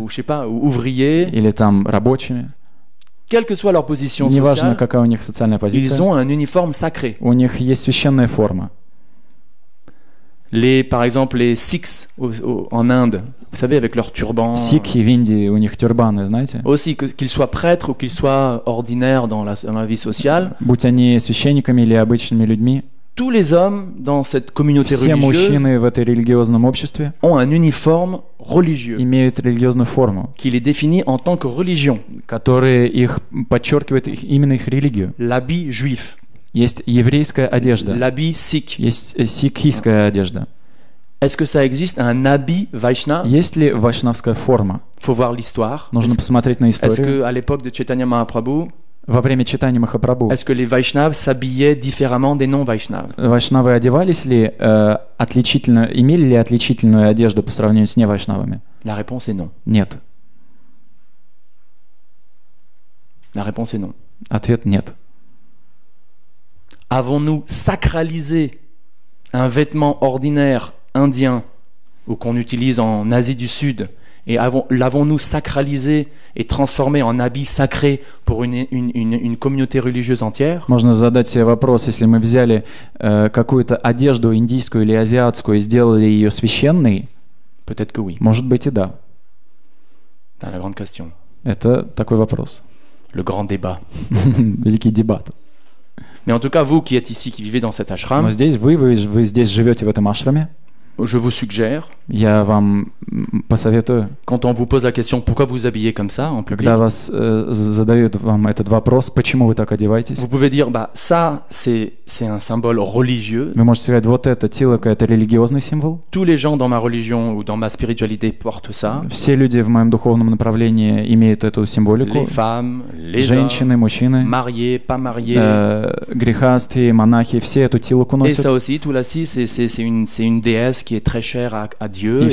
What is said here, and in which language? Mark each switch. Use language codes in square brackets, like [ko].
[fr] ou je sais pas, ou ouvriers, [ru] или там рабочими, [fr] quelle que soit leur position sociale, [ru] неважно какая у них социальная позиция, [fr] ils ont un uniforme sacré. [ru] У них есть священная форма. [fr] Les, par exemple, les Sikhs en Inde, vous savez, avec leur turban. [ru] Sikh и винди, у них тюрбаны, знаете. [fr] Aussi, qu'ils soient prêtres ou qu'ils soient ordinaires dans la vie sociale. [ru] Будь они священниками или обычными людьми. [fr] Tous les hommes dans cette communauté [ru] все [fr] religieuse. [ru] Все мужчины в этой религиозном обществе. [fr] Ont un uniforme religieux. [ru] Имеют религиозную форму. [fr] Qui les définit en tant que religion. [ru] Которые их подчеркивает именно их религию. [fr] L'habit juif. [ru] Есть еврейская одежда. [fr] L'habit sikh. [ru] Есть сикхийская одежда. [fr] Est-ce que ça existe un habit vaishnav? [ru] Есть ли вайшнавская форма? [fr] Faut voir l'histoire. [ru] Нужно посмотреть на историю. [fr] Est-ce que à l'époque de Chaitanya Mahaprabhu? [ru] Во время читания Махапрабху. [fr] Est-ce que les vaishnavs s'habillaient différemment des non-vaishnavs? [ru] Вайшнавы одевались ли отличительно, имели ли отличительную одежду по сравнению с невайшнавами? [fr] La réponse est non. [ru] Нет. [fr] La réponse est non. [ru] Ответ нет. [fr] Avons-nous sacralisé un vêtement ordinaire indien ou qu'on utilise en Asie du Sud et l'avons-nous sacralisé et transformé en habit sacré pour une communauté religieuse entière? [ru] Можно задать себе вопрос, если мы взяли какую-то одежду индийскую или азиатскую и сделали ее священной? [fr] Peut-être que oui. [ru] Может быть и да. [fr] Dans la grande question. [ru] Это такой вопрос. [fr] Le grand débat. [ru] Великий дебат. [fr] Mais en tout cas, vous qui êtes ici, qui vivez dans cet ashram, [ru] но здесь вы здесь живете в этом ашраме, [fr] je vous suggère, [ru] я вам посоветую, [fr] quand on vous pose la question, pourquoi vous habillez comme ça, en public, [ru] когда вас задают вам этот вопрос, почему вы так одеваетесь, [fr] vous pouvez dire, bah, ça, c'est un symbole religieux. [ru] Вы можете сказать, вот это тилака, это религиозный символ. [fr] Tous les gens dans ma religion ou dans ma spiritualité portent ça. [ru] Все люди в моем духовном направлении имеют эту символику. [fr] Les femmes, les [ru] женщины, [fr] hommes, [ru] мужчины, [fr] mariés, pas mariés, [ru] грехасты, монахи, все эту тилаку носят. [fr] Et ça aussi, Tulasi, c'est une déesse qui est très chère à Dieu.